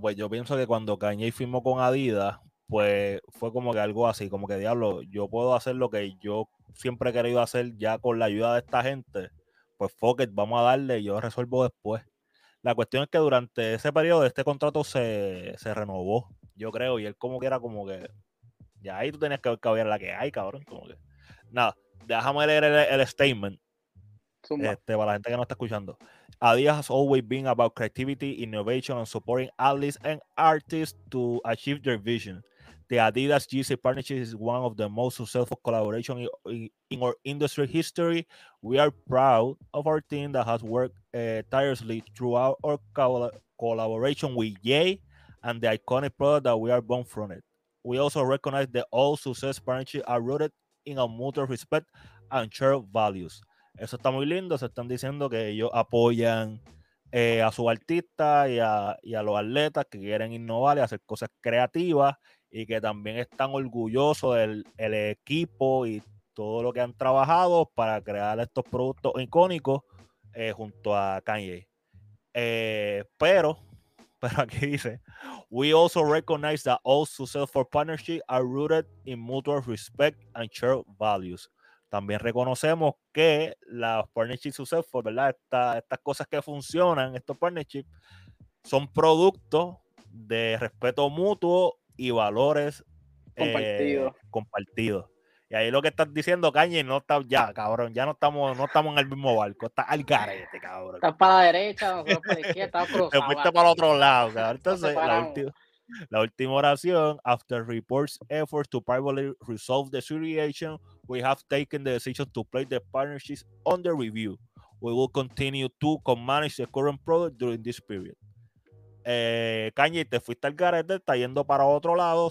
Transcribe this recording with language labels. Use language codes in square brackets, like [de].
[es] Pues yo pienso que cuando Kanye firmó con Adidas, pues fue como que algo así, como que diablo, yo puedo hacer lo que yo siempre he querido hacer ya con la ayuda de esta gente, pues [en] fuck it, [es] vamos a darle, yo resuelvo después. La cuestión es que durante ese periodo este contrato se renovó, yo creo, y él como que era como que, ya ahí tú tenías que ver cabrón, la que hay, cabrón, como que. Nada, déjame leer el statement. Para la gente que no está escuchando. [en] Adidas has always been about creativity, innovation, and supporting athletes and artists to achieve their vision. The Adidas GC partnership is one of the most successful collaborations in our industry history. We are proud of our team that has worked tirelessly throughout our collaboration with Ye and the iconic product that we are born from it. We also recognize that all success partnerships are rooted in a mutual respect and shared values. [es] Eso está muy lindo, se están diciendo que ellos apoyan a sus artistas y a los atletas que quieren innovar y hacer cosas creativas y que también están orgullosos del el equipo y todo lo que han trabajado para crear estos productos icónicos junto a Kanye. Pero aquí dice, [en] we also recognize that all successful partnerships are rooted in mutual respect and shared values. [es] También reconocemos que las partnerships successful, ¿verdad? Estas cosas que funcionan, estos partnerships, son producto de respeto mutuo y valores compartidos. Y ahí lo que estás diciendo, Kanye, no está ya, cabrón, ya no estamos en el mismo barco, está al garete, cabrón. Estás para la derecha, nosotros para la izquierda, estás cruzado. Te fuiste para el otro lado, cabrón. Entonces, la última oración, [en] after reports efforts to privately resolve the situation, we have taken the decision to place the partnerships under review. We will continue to co-manage the current product during this period. [es] Kanye, te fuiste al garete, está yendo para otro lado.